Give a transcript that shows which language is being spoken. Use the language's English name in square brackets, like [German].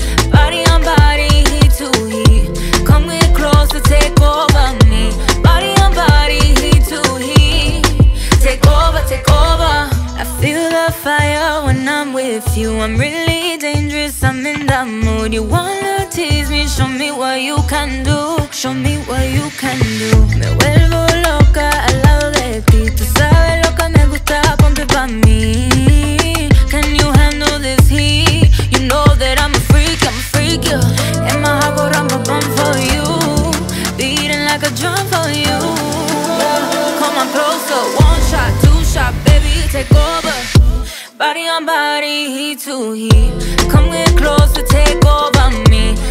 [English] Body on body, heat to heat. Come get closer, take over me. Body on body, heat to heat. Take over, take over. I feel the fire when I'm with you. I'm really dangerous, I'm in that mood. You wanna tease me, show me what you can do. Show me what you can do. [Spanish] Me vuelvo loca al lado de ti. Tú sabes lo que me gusta, ponte pa' mí. [English] Can you handle this heat? You know that I'm a freak, I'm a freak, yeah. And my heart go rum bum bum for you. Beating like a drum for you, yeah. Come on closer, one shot, two shot, baby, take over. Body on body, heat to heat. Come get closer, take over me.